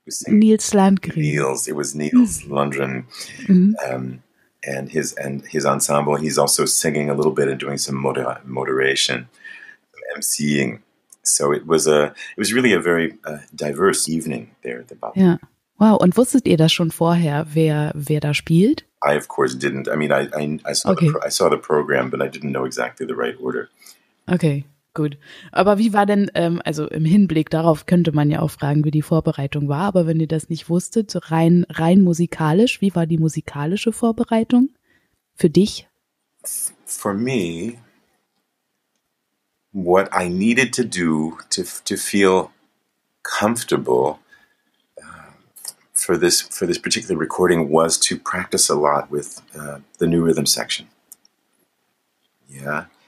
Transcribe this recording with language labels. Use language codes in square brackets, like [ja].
[en] Nils Landgren. It was Nils Landgren, and his ensemble. He's also singing a little bit and doing some moderation, emceeing. So it was really a very diverse evening there at the Bauhaus. Yeah. Wow. [de] Und wusstet ihr das schon vorher, wer da spielt? [en] I of course didn't. I mean, I saw the program, but I didn't know exactly the right order. [de] Okay. Gut. Aber wie war denn, also im Hinblick darauf könnte man ja auch fragen, wie die Vorbereitung war, aber wenn ihr das nicht wusstet, rein musikalisch, wie war die musikalische Vorbereitung für dich? [en] For me, what I needed to do to feel comfortable for this particular recording was to practice a lot with the new rhythm section. Yeah.